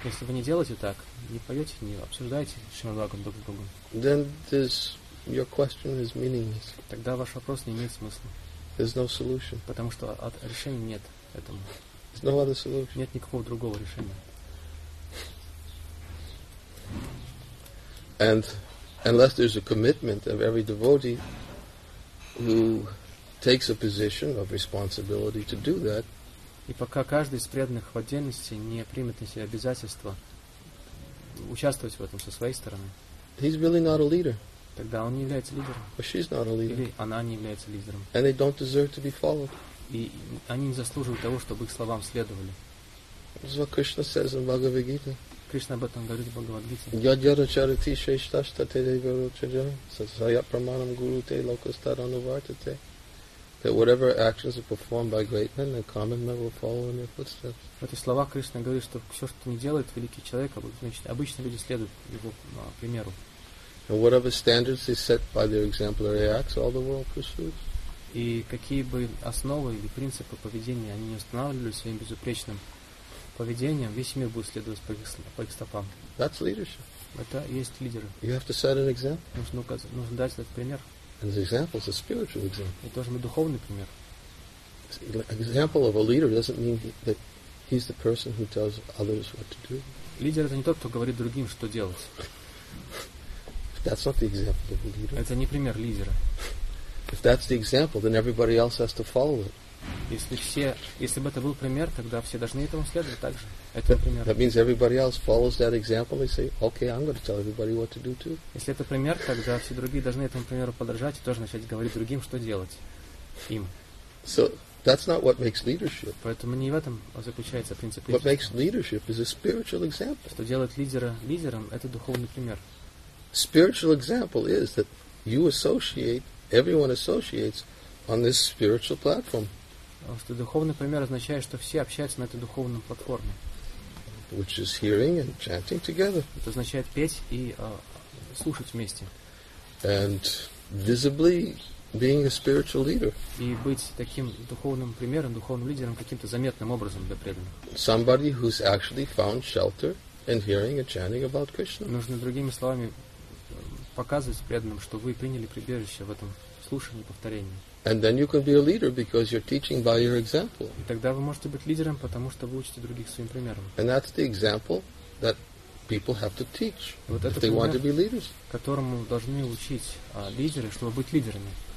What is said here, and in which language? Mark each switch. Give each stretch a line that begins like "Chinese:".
Russian: если вы не делаете так, не поете, не обсуждаете Шримад Бхагаватам друг с другом,
English: then this, your question is meaningless.
Russian: Тогда ваш вопрос не имеет смысла.
English: There's no solution.
Russian: Потому что решения нет этому.
English: There's no other solution.
Russian: Нет никакого другого решения.
English: And unless there's a commitment of every devotee who takes a position of responsibility to do that.
Russian: И пока каждый из преданных в отдельности не примет на себя обязательство участвовать в этом со своей стороны.
English: He's really not a leader.
Russian: Тогда он не является лидером.
English: But she's not a leader.
Russian: Или она не является лидером.
English: And they don't deserve to be followed.
Russian: И они не заслуживают того, чтобы их словам следовали.
English: That's what Krishna says in Bhagavad Gita.
Russian: Кришна об этом говорит в Бхагавад Гите.
Sanskrit: Ядьяра чарати шешташта те девару чаджа сасая праманам гуру те локастарану вартате.
English: That whatever actions are performed by great men, the common men will follow in their footsteps.
Russian: В этих словах Кришна говорит, что все, что не делает великий человек, значит, обычные люди следуют его примеру.
English: And whatever standards they set by their exemplary acts, all the world pursues.
Russian: И какие бы основы или принципы поведения они не устанавливали своим безупречным поведением, весь мир будет следовать по их стопам.
English: That's leadership.
Russian: Это есть лидеры.
English: You have to set an example.
Russian: Нужно дать этот пример.
English: And the example is a spiritual example.
Russian: Это должен быть духовный пример.
English: Example of a leader doesn't mean that he's the person who tells others what to do.
Russian: Лидер — это не тот, кто говорит другим, что делать.
English: That's not the example of the leader.
Russian: Это не пример лидера.
English: If that's the example, then everybody else has to follow it.
Russian: Если бы это был пример, тогда все должны этому следовать также. Это пример.
English: That means everybody else follows that example and say, okay, I'm going to tell everybody what to do too.
Russian: Если это пример, тогда все другие должны этому примеру подражать и тоже начать говорить другим, что делать им.
English: So that's not what makes leadership.
Russian: Поэтому не в этом заключается принцип лидерства.
English: What makes leadership is a spiritual example.
Russian: Что делает лидера лидером — это духовный пример.
English: Spiritual example is that you associate, everyone associates on this spiritual platform.
Russian: Что духовный пример означает, что все общаются на этой духовной платформе.
English: Which is hearing and chanting together.
Russian: Это означает петь и слушать вместе.
English: And visibly being a spiritual leader.
Russian: И быть таким духовным примером, духовным лидером каким-то заметным образом для преданных.
English: Somebody who's actually found shelter in hearing and chanting about Krishna.
Russian: Нужно другими словами показывать преданным, что вы приняли прибежище в этом слушании, повторении.
English: And then you can be a leader because you're teaching by your example.
Russian: И тогда вы можете быть лидером, потому что вы учите других своим примером.
English: And that's the example that people have to teach.
Russian: Вот
English: if they want to be leaders.
Russian: Которому должны учить лидеры, чтобы быть лидерами.